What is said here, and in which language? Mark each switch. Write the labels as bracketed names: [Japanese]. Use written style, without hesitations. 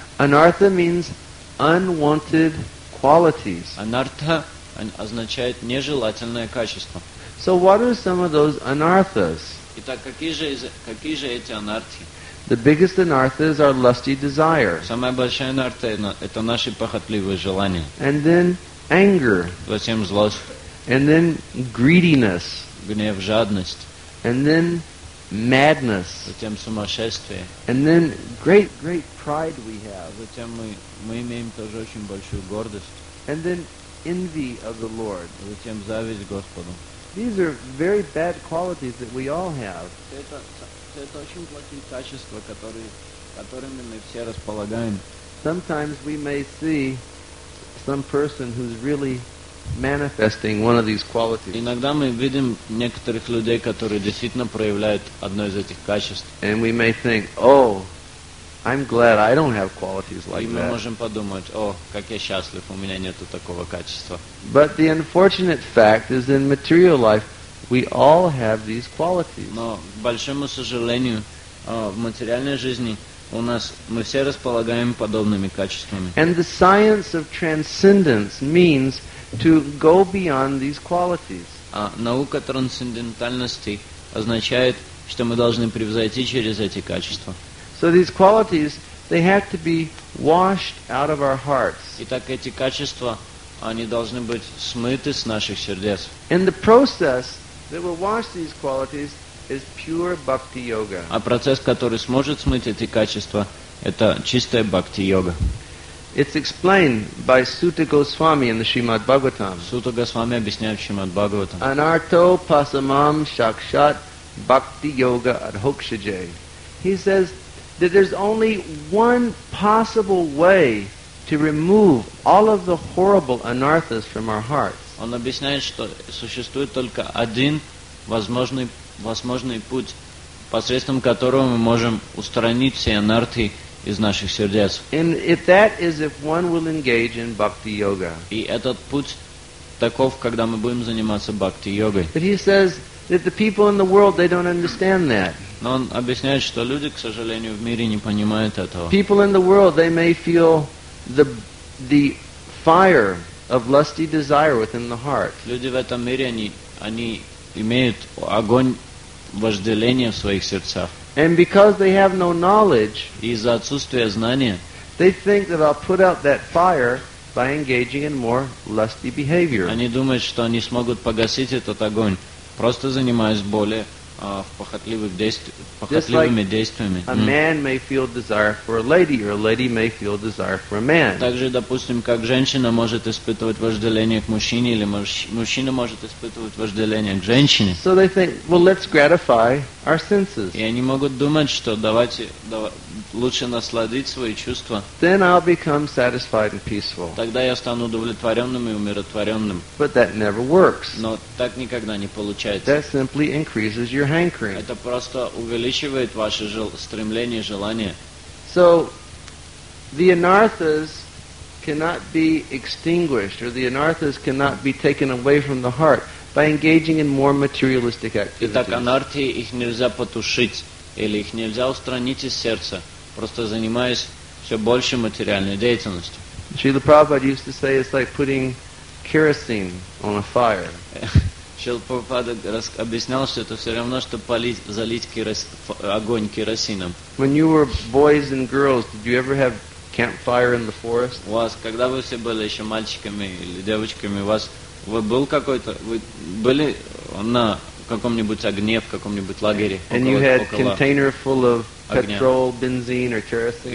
[English] Anartha means unwanted qualities. [Russian] Анартха означает нежелательное качество. [English] So what are some of those anarthas? [Russian] Итак, какие же эти анартхи? [English] The biggest anartha is our lusty desire. [Russian] Самая большая анартха – это наши похотливые желания. [English] And then anger. [Russian] Затем злость. [English] And then greediness. [Russian] Гнев, жадность. [English] And then madness. [Russian] Затем сумасшествие. [English] And then great pride we have. [Russian] Затем мы имеем тоже очень большую гордость. [English] And then envy of the Lord. [Russian] Затем зависть Господу. [English] These are very bad qualities that we all have. [Russian] Это очень плохие качества, которыми мы все располагаем. [English] Sometimes we may see some person who's really manifesting one of these qualities. [Russian] Иногда мы видим некоторых людей, которые действительно проявляют одно из этих качеств. [English] And we may think, oh, I'm glad I don't have qualities like that. [Russian] И мы можем подумать, о, как я счастлив, у меня нету такого качества. [English] But the unfortunate fact is in material life, we all have these qualities. [Russian] Но, к большому сожалению, в материальной жизни у нас мы все располагаем подобными качествами. [English] And the science of transcendence means to go beyond these qualities. [Russian] А наука трансцендентальности означает, что мы должны превзойти через эти качества. [English] So these qualities, they have to be washed out of our hearts. [Russian] Итак, эти качества, они должны быть смыты с наших сердец. [English] And the process that will wash these qualities is pure bhakti yoga. [Russian] А процесс, который сможет смыть эти качества, это чистая бхакти йога. [English] It's explained by Sutta Goswami in the Srimad Bhagavatam. [Russian] Сута Госвами объясняет в Шримад Бхагаватам. [Sanskrit] Anarto pasamam shakshat bhakti yoga adhokshaje. [English] He says that there's only one possible way to remove all of the horrible anarthas from our hearts. [Russian] Он объясняет, что существует только один возможный путь, посредством которого мы можем устранить все анарты из наших сердец. [English] And if that is if one will engage in bhakti yoga. [Russian] И этот путь таков, когда мы будем заниматься бхакти йогой. [English] But he says that the people in the world, they don't understand that. [Russian] Но он объясняет, что люди, к сожалению, в мире не понимают этого. [English] People in the world, they may feel the fire of lusty desire within the heart. [Russian] Люди в этом мире, они имеют огонь вожделения в своих сердцах. [English] And because they have no knowledge, [Russian] из-за отсутствия знания, [English] they think that I'll put out that fire by engaging in more lusty behavior. [Russian] Они думают, что они смогут погасить этот огонь, просто занимаясь более похотливыми действиями. [English] A man may feel desire for a lady, or a lady may feel desire for a man. [Russian] Также, допустим, как женщина может испытывать вожделение к мужчине, или мужчина может испытывать вожделение к женщине. [English] So they think, well, let's gratify our senses. [Russian] И они могут думать, что давайте лучше насладить свои чувства. [English] Then I'll become satisfied and peaceful. [Russian] Тогда я стану удовлетворенным и умиротворенным. [English] But that never works. [Russian] Но так никогда не получается. [English] That simply increases your hankering. [Russian] Это просто увеличивает ваше стремление, желание. [English] So the anarthas cannot be extinguished, or the anarthas cannot be taken away from the heart by engaging in more materialistic activities. [Russian] Итак, анарты их нельзя потушить или их нельзя устранить из сердца, просто занимаясь все больше материальной деятельностью. [English] Srila Prabhupada used to say it's like putting kerosene on a fire. [Russian] Шрила Прабхупада объяснял, что это все равно, что полить, залить огонь керосином. [English] When you were boys and girls, did you ever have campfire in the forest? [Russian] У вас, когда вы все были еще мальчиками или девочками, у вас был какой-то, вы были на каком-нибудь огне в каком-нибудь лагере? [English] And you had container full of petrol, benzene or kerosene?